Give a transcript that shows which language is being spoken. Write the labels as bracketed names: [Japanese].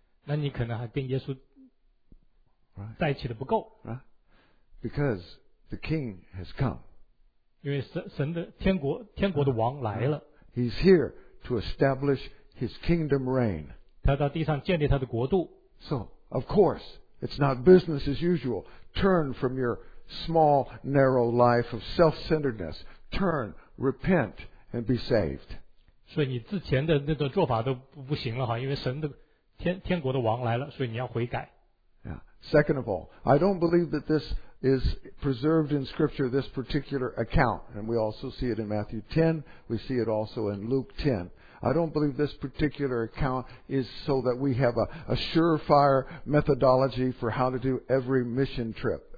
[Chinese] 那你可能还跟耶稣在一起的不够。 [English] Because the King has come. [Chinese] 因为神的天国的王来了。 [English] He's here to establish His kingdom reign. [Chinese] 他到地上建立他的国度。 [English] So, of course, it's not business as usual. Turn from your small, narrow life of self-centeredness. Turn, repent, and be saved. [Chinese] 所以你之前的那个做法都不行了哈，因为神的天国的王来了，所以你要悔改。 [English] Yeah. Second of all, I don't believe that this is preserved in Scripture, this particular account, and we also see it in Matthew 10, we see it also in Luke 10. I don't believe this particular account is so that we have a surefire methodology for how to do every mission trip.